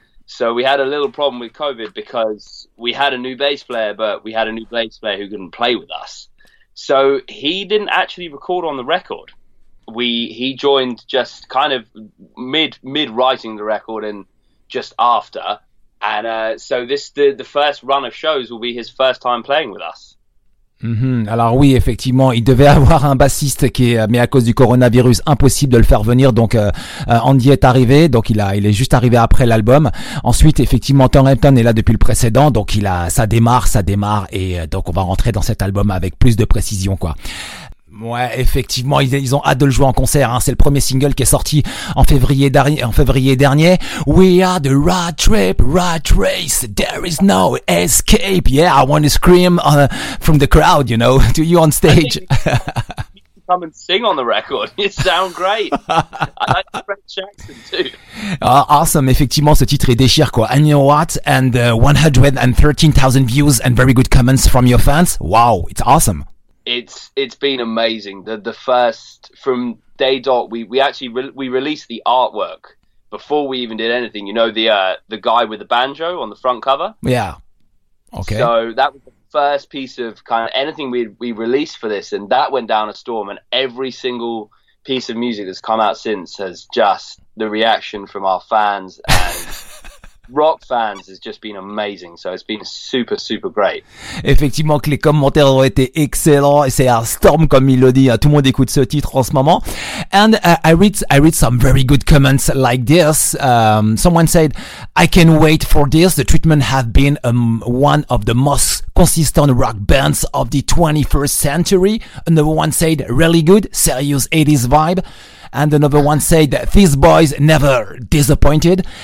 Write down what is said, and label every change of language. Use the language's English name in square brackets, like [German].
[English] So we had a little problem with COVID because we had a new bass player, but we had a new bass player who couldn't play with us. So he didn't actually record on the record. He joined just kind of mid writing the record and just after. And so this the first run of shows will be his first time playing with us. Mm-hmm. [French] Alors oui, effectivement, il devait avoir un bassiste qui est, mais à cause du coronavirus, impossible de le faire venir. Donc Andy est arrivé, donc il est juste arrivé après l'album. Ensuite, effectivement, Tom Hampton est là depuis le précédent, donc ça démarre, et donc on va rentrer dans cet album avec plus de précision, quoi. Ouais, effectivement, ils ont hâte de le jouer en concert, hein. C'est le premier single qui est sorti en février dernier. [English] We are the rat trip, rat race, there is no escape. Yeah, I want to scream from the crowd, you know, to you on stage. Come and sing on the record. It sounds great. I like the French accent too. Awesome. [French] Effectivement, ce titre est déchire, quoi. [English] And you know what? And 113,000 views and very good comments from your fans. Wow, it's awesome. It's been amazing. The first from day dot, we released the artwork before we even did anything. You know, the guy with the banjo on the front cover. Yeah. Okay. So that was the first piece of kind of anything we released for this, and that went down a storm. And every single piece of music that's come out since has just the reaction from our fans and. Rock fans has just been amazing, so it's been super, super great. [French] Effectivement, que les commentaires ont été excellents, et c'est un storm, comme il le dit, tout le monde écoute ce titre en ce moment. [English] And I read some very good comments like this. Someone said, I can't wait for this. The Treatment have been one of the most consistent rock bands of the 21st century. Another one said, really good, serious 80s vibe. And another one said that these boys never disappointed.